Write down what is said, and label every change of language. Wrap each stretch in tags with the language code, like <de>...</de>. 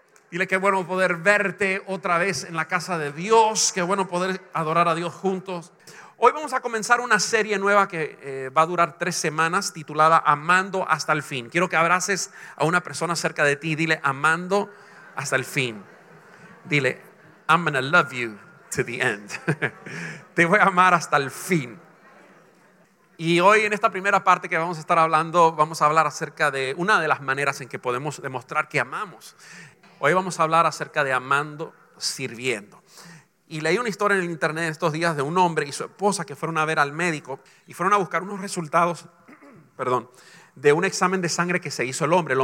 <es>Dile que bueno poder verte otra vez en la casa de Dios. Que bueno poder adorar a Dios juntos. Hoy vamos a comenzar una serie nueva que va a durar 3 semanas, titulada Amando hasta el fin. Quiero que abraces a una persona cerca de ti y dile: amando hasta el fin. Dile:</es> <en>I'm gonna love you to the end.</en> <es>Te voy a amar hasta el fin. Y hoy en esta primera parte que vamos a estar hablando, vamos a hablar acerca de una de las maneras en que podemos demostrar que amamos. Hoy vamos a hablar acerca de amando, sirviendo. Y leí una historia en el internet estos días de un hombre y su esposa que fueron a ver al médico y fueron a buscar unos resultados, perdón, de un examen de sangre que se hizo el hombre.</es>